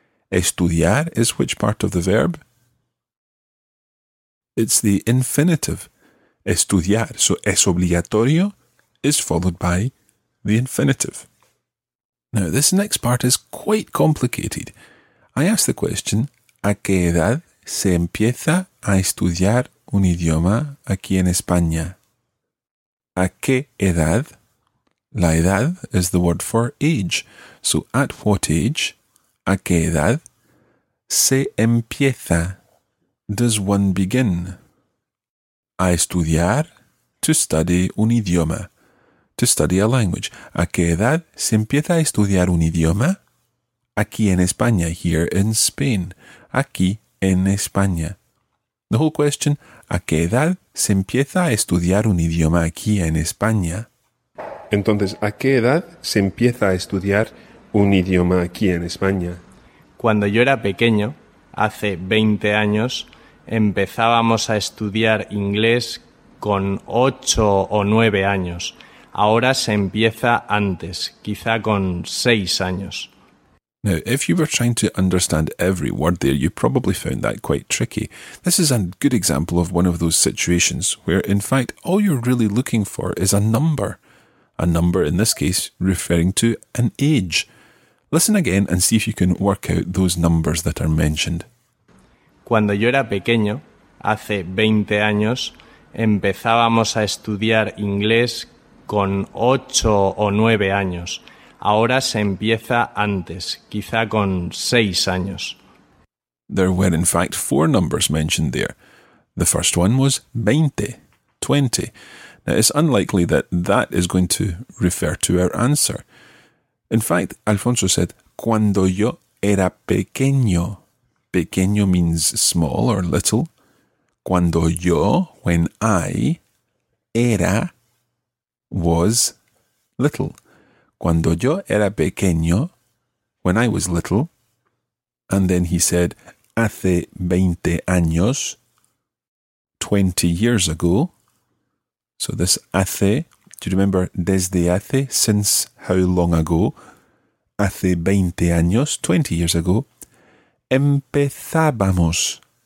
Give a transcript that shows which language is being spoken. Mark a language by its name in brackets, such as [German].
[English] Estudiar is which part of the verb? It's the infinitive. Estudiar. So, es obligatorio is followed by the infinitive. Now, this next part is quite complicated. I ask the question, [Spanish] ¿a qué edad se empieza a estudiar un idioma aquí en España? ¿A qué edad? [English] La edad is the word for age. So, at what age, [Spanish] a qué edad, se empieza, [English] does one begin? A estudiar, to study [Spanish] un idioma, [English] to study a language. [Spanish] ¿A qué edad se empieza a estudiar un idioma? Aquí en España, [English] here in Spain. [Spanish] Aquí en España. [English] The whole question, [Spanish] ¿a qué edad se empieza a estudiar un idioma aquí en España? Entonces, ¿a qué edad se empieza a estudiar un idioma aquí en España? Cuando yo era pequeño, hace 20 años, empezábamos a estudiar inglés con 8 o 9 años. Ahora se empieza antes, quizá con 6 años. [English] Now, if you were trying to understand every word there, you probably found that quite tricky. This is a good example of one of those situations where, in fact, all you're really looking for is a number. A number, in this case, referring to an age. Listen again and see if you can work out those numbers that are mentioned. [Spanish] Cuando yo era pequeño, hace 20 años, empezábamos a estudiar inglés con 8 o 9 años. ahora se empieza antes, quizá con 6 años. [English] There were in fact 4 numbers mentioned there. The first one was 20, 20. Now it's unlikely that that is going to refer to our answer. In fact, Alfonso said, [Spanish] cuando yo era pequeño. [English] Pequeño means small or little. [Spanish] Cuando yo, [English] when I, era, was little. [Spanish] Cuando yo era pequeño, [English] when I was little. And then he said, [Spanish] hace 20 años, [English] 20 years ago. So this hace, do you remember [Spanish] desde hace, [English] since how long ago? [Spanish] Hace 20 años, [English] 20 years ago, [Spanish] empezábamos.